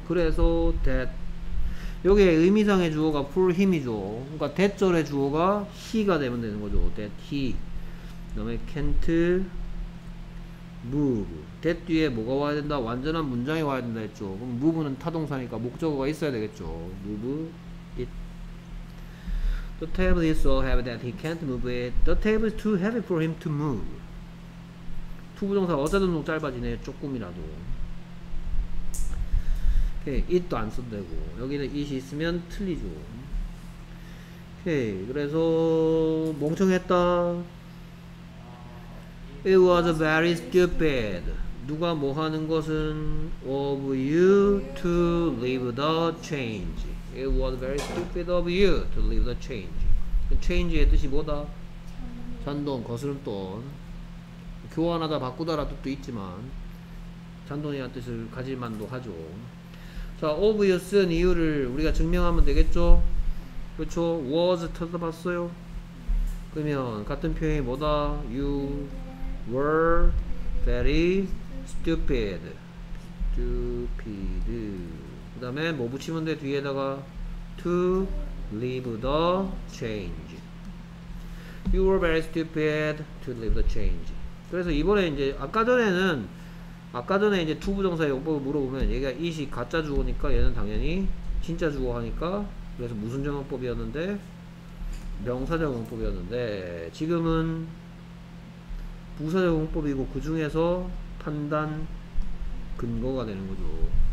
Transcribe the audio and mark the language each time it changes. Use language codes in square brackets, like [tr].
[ko] 그래서 that 여기에 의미상의 주어가 [en] for him [ko] 이죠. 그러니까 that절의 주어가 he가 되면 되는 거죠. [en] that he [ko] 그 다음에 [en] can't move. [ko] that 뒤에 뭐가 와야 된다? 완전한 문장이 와야 된다 했죠. 그럼 move는 타동사니까 목적어가 있어야 되겠죠. [en] move it. The table is so heavy that he can't move it. The table is too heavy for him to move. [ko] to 부정사 어쨌든 좀 짧아지네. 조금이라도. okay, it도 안 써도 되고. 여기는 it이 있으면 틀리죠. okay, 그래서 멍청했다. [en] It was very stupid. [ko] 누가 뭐 하는 것은 [en] of you to leave the change. It was very stupid of you to leave the change. [ko] change의 뜻이 뭐다? 잔돈, 거스름돈. 교환하다, 바꾸다라는 뜻도 있지만 잔돈이라는 뜻을 가질 만도 하죠. 자, of you 쓴 이유를 우리가 증명하면 되겠죠? 그렇죠? was 찾아 봤어요? 그러면 같은 표현이 뭐다? [en] you were very stupid. [ko] stupid. 그 다음에 뭐 붙이면 돼? 뒤에다가 [en] to leave the change. you were very stupid to leave the change. [ko] 그래서 이번에 이제 아까 전에 이제 to 부정사의 용법을 물어보면 얘가 it이 가짜 주어니까 얘는 당연히 진짜 주어 하니까 그래서 무슨 정용법이었는데 명사 정용법이었는데 지금은 부사 적용법이고 그 중에서 판단 근거가 되는 거죠.